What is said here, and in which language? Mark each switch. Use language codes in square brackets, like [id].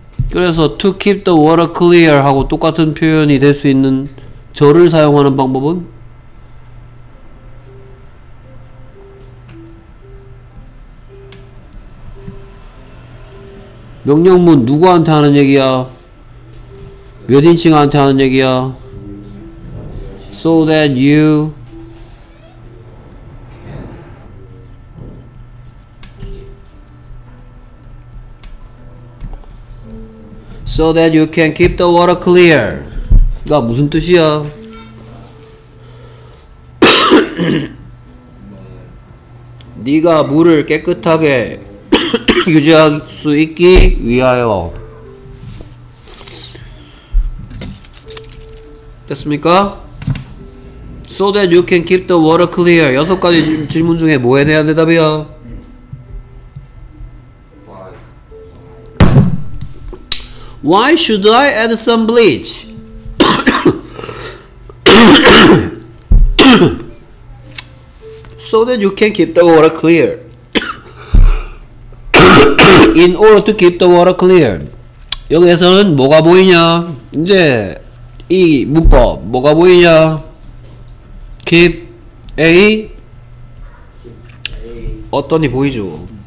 [ko] 그래서 [en] to keep the water clear [ko] 하고 똑같은 표현이 될 수 있는 절을 사용하는 방법은? 명령문 누구한테 하는 얘기야? 몇 인칭한테 하는 얘기야? [en] So that you So that you can keep the water clear. [ko] 가 무슨 뜻이야? 네가 물을 깨끗하게 유지할 수 있기 위하여. 됐습니까? [en] So that you can keep the water clear. [ko] 여섯 가지 질문 중에 뭐에 대한 대답이야? [en] 'Why should I add some bleach?' 'So that you can keep the water clear. In order to keep the water clear. [ko] 여기에서는 뭐가 보이냐? 이제 이 문법 뭐가 보이냐? Keep A 어떤이 보이죠?